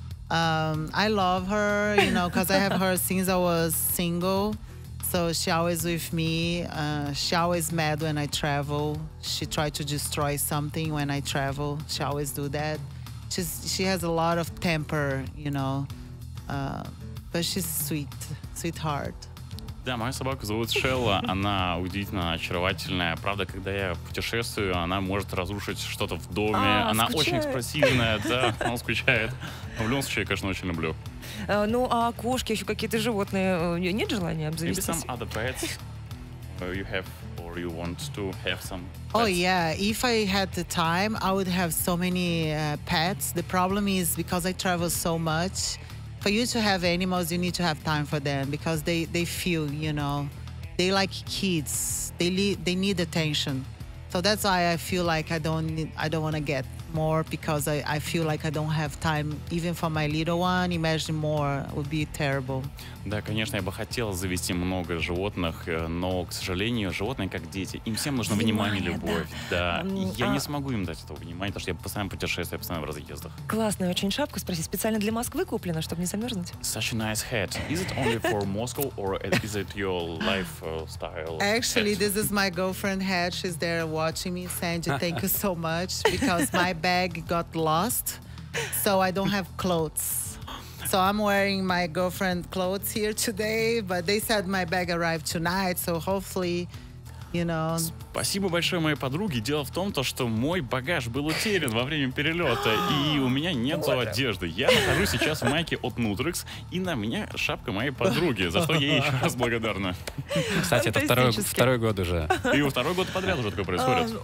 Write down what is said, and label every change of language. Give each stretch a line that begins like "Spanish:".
English: I love her, you know, because I have her since I was single. So she always with me. She always mad when I travel. She tried to destroy something when I travel. She always do that. She has a lot of temper, you know. But she's sweet, sweetheart.
Russian: Да, моя собака зовут Шелла. Она удивительно очаровательная. Правда, когда я путешествую, она может разрушить что-то в доме. Она скучает. Очень экспрессивная, да, она скучает. Но в любом случае, я, конечно, очень люблю. Ну, а кошки, еще какие-то животные? У нее нет желания обзавестись?
English: Maybe some other pets you have or you want to have some pets? Oh, yeah. If I had the time, I would have so many pets. The problem is because I travel so much. For you to have animals, you need to have time for them because they feel, you know, they like kids. They need attention. So that's why I feel like I don't want to get more because I feel like I don't have time even for my little one. Imagine more would be terrible.
Russian: Да, конечно, я бы хотел завести много животных, но, к сожалению, животные как дети. Им всем нужно внимание, любовь. Да. Я не смогу им дать этого внимания, потому что я постоянно путешествую, я постоянно в разъездах. Классная очень шапка, спроси. Специально для Москвы куплена, чтобы не замерзнуть.
English: Such a nice hat. Is it only for Moscow or is it your lifestyle? Actually, this is my girlfriend hat. She's there watching me. Sandy, thank you so much, because my bag got lost, so I don't have clothes. So I'm wearing my girlfriend clothes here today, but they said my bag arrived tonight, so hopefully, you know.
Russian: Спасибо большое моей подруге. Дело в том, то, что мой багаж был утерян во время перелета, и у меня нет одежды. Я нахожусь сейчас в майке от Nutrix, и на меня шапка моей подруги, за что я ей еще раз благодарна. Кстати, это второй год уже. И второй год подряд уже такое происходит.